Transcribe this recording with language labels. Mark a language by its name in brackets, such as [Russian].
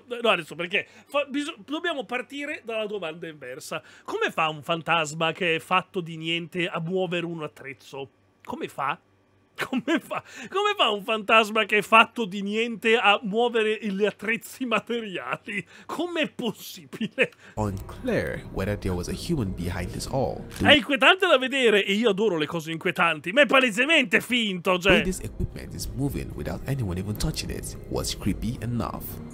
[Italian] No, adesso perché dobbiamo partire dalla domanda inversa. Come fa un fantasma che è fatto di niente a muovere un attrezzo? Come fa? Come fa un fantasma che è fatto di niente a muovere gli attrezzi materiali? Com'è possibile? [English] Unclear whether there was a human behind this all. [Italian] È inquietante da vedere e io adoro le cose inquietanti, ma è palesemente finto, cioè. [English] The way this equipment is moving without anyone even touching it was creepy enough.